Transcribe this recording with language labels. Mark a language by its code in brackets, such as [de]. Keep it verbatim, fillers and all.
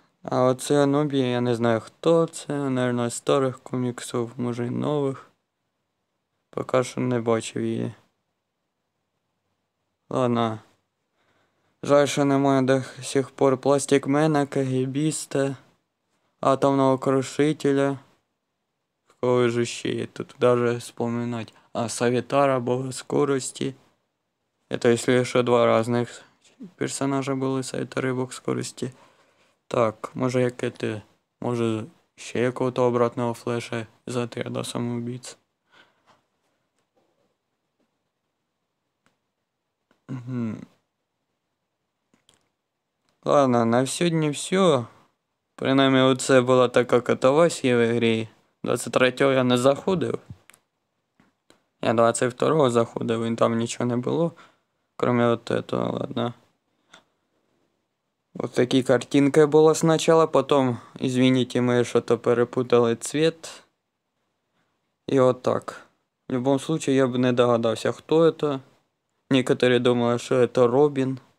[uk] А оце Нубія, я не знаю, хто це. Наверное, з старих коміксів, може, і нових. Поки що не бачив її. Ладно. Жаль, що немає до сих пор Пластикмена, Кагібіста, Атомного Крушителя. Кого же ще є? Тут даже вспоминать. [ru] А, Савитара, Бога Скорости. Это если еще два разных персонажа були, Савитар і Бог Скорости. [uk] Так, може як це, може ще якогось обратного Флеша з отряда самоубійць. Угу. Ладно, на сьогодні все. Принаймні, оце була така катавасія в ігрі. двадцять третього я не заходив. Я двадцять другого заходив, і там нічого не було. [ru] Кроме от этого, ладно. Вот такие картинки было сначала, потом, извините, мы что-то перепутали цвет. И вот так. В любом случае, я бы не догадался, кто это. Некоторые думали, что это Робин.